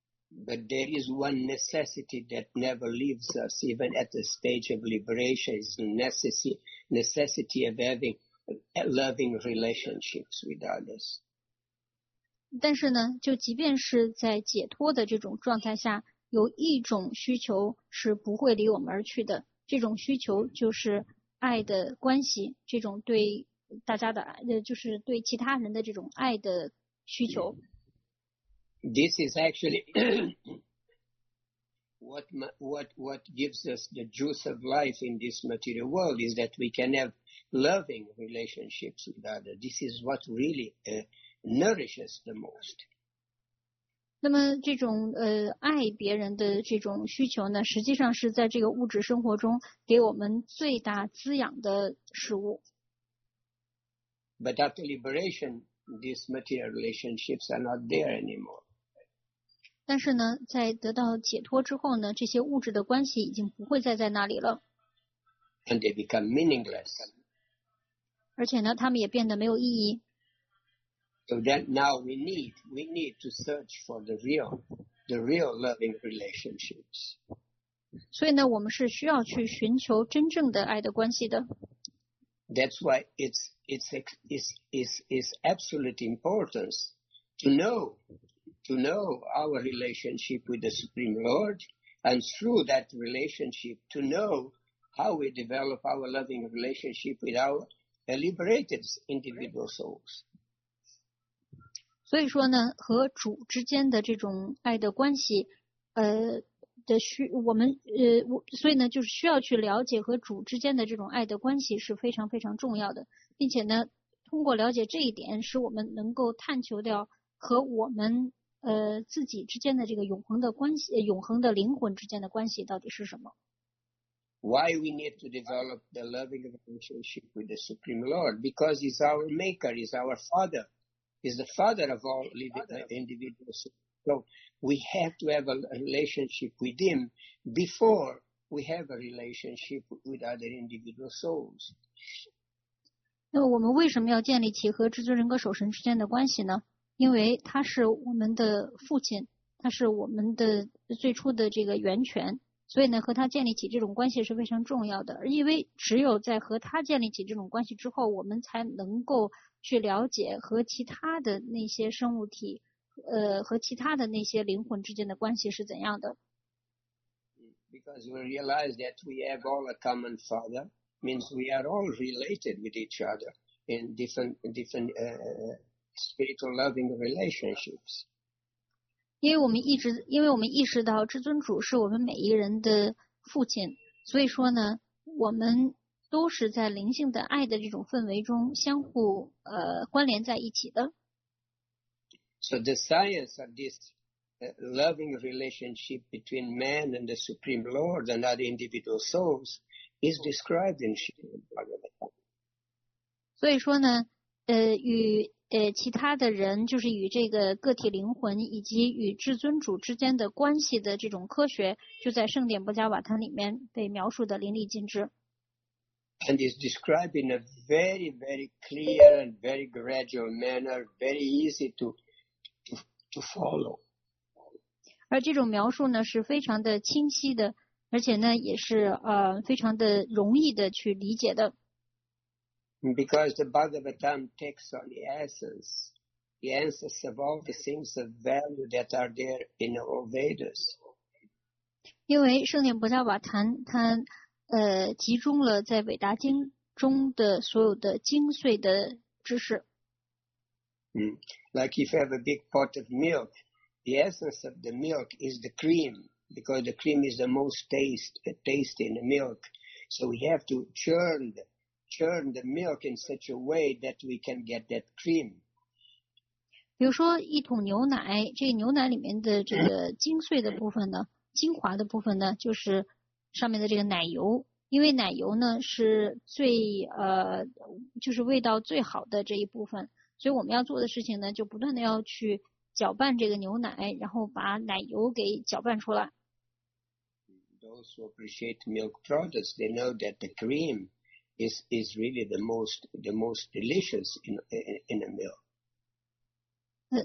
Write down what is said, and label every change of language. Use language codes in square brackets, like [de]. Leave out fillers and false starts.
[en] But there is one necessity that never leaves us, even at the stage of liberation, is necessity of having loving relationships with others. [zh] 但是呢，就即便是在解脱的这种状态下，有一种需求是不会离我们而去的，这种需求就是爱的关系，这种对大家的，就是对其他人的这种爱的需求。 Mm-hmm. [en] This is actually what gives us the juice of life in this material world is that we can have loving relationships with others. This is what really nourishes the most. [zh] 那么这种爱别人的这种需求呢，实际上是在这个物质生活中给我们最大滋养的食物。 [en] But after liberation, these material relationships are not there anymore. [zh] 但是呢，在得到解脱之后呢，这些物质的关系已经不会再在那里了。 [en] And they become meaningless. [zh] 而且呢，他们也变得没有意义。 [en] So then now we need to search for the real loving relationships. [zh] 所以呢，我们是需要去寻求真正的爱的关系的。 [en] That's why it's absolute importance to know. To know our relationship with the Supreme Lord, and through that relationship, to know how we develop our loving relationship with our liberated individual souls. [zh] 所以说呢，和主之间的这种爱的关系，所以呢，就是需要去了解和主之间的这种爱的关系是非常非常重要的，并且呢，通过了解这一点，使我们能够探求掉和我们。自己之间的这个永恒的关系，永恒的灵魂之间的关系到底是什么 [en] ？Why we need to develop the loving relationship with the Supreme Lord? Because he's our Maker, he's our Father, he's the Father of all living individuals. So we have to have a relationship with him before we have a relationship with other individual souls. [zh] 那么我们为什么要建立起和至尊人格守神之间的关系呢？因为他是我们的父亲，他是我们的最初的这个源泉，所以呢，和他建立起这种关系是非常重要的。因为只有在和他建立起这种关系之后，我们才能够去了解和其他的那些生物体，和其他的那些灵魂之间的关系是怎样的。 [en] Because we realize that we have all a common father, means we are all related with each other in different. Spiritual loving relationships. [zh] 因为我们意识到至尊主是我们每一人的父亲，所以说呢，我们都是在灵性的爱的这种氛围中相互关联在一起的。 [en] So the science of this loving relationship between man and the Supreme Lord and other individual souls is described in Srimad Bhagavatam. [zh] 所以说呢，与其他的人就是与这个个体灵魂以及与至尊主之间的关系的这种科学就在圣典波迦瓦坛里面被描述的淋漓尽致。 [en] And is described in a very, very clear and very gradual manner, very easy to follow. [zh] 而这种描述呢是非常的清晰的，而且呢也是非常的容易的去理解的。 [en] Because the Bhagavatam takes on the essence, the essence of all the things of value that are there in the old Vedas. [zh] 因为圣典波迦瓦坛它集中了在伟达经中的所有的精髓的知识。 [en] Like if you have a big pot of milk, the essence of the milk is the cream, because the cream is the most taste in the milk. So we have to churn the milk in such a way that we can get that cream. [zh] 比如说一桶牛奶，这个牛奶里面的这个精髓的部分呢，精华的部分呢，就是上面的这个奶油。因为奶油呢是最就是味道最好的这一部分，所以我们要做的事情呢，就不断的要去搅拌这个牛奶，然后把奶油给搅拌出来。 [en] Those who appreciate milk products, they know that the cream is really the most delicious in a milk.